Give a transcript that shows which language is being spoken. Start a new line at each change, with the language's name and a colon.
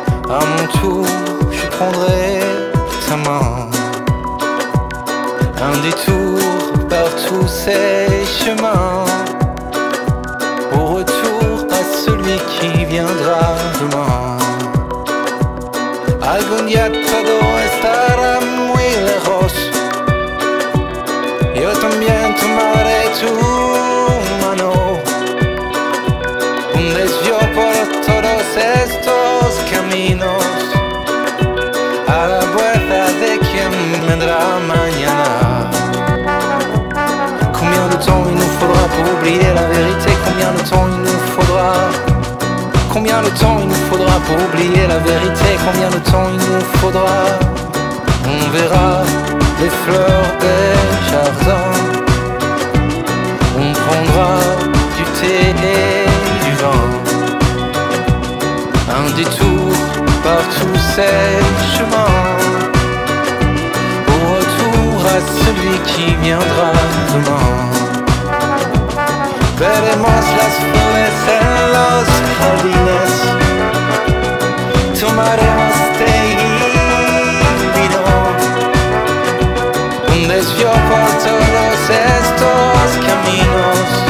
French: À mon tour, je prendrai ta main. Un détour par tous ces chemins. Au retour à celui qui viendra demain.
Spanish: Algún día todo estará muy lejos. Yo también tomaré tu mano. Un desvío por todos estos caminos. A la puerta de quien vendrá mañana.
French: Combien de temps il nous faudra pour oublier la vérité? Combien de temps il nous faudra? Combien de temps il nous faudra pour oublier la vérité? Combien de temps il nous faudra? On verra les fleurs des jardins. On prendra du thé et du vin. Un détour par tous ces chemins. Au retour à celui qui viendra demain.
Spanish: Veremos las flores en los jardines. Tomaremos té y vino. Un desvío por todos estos caminos.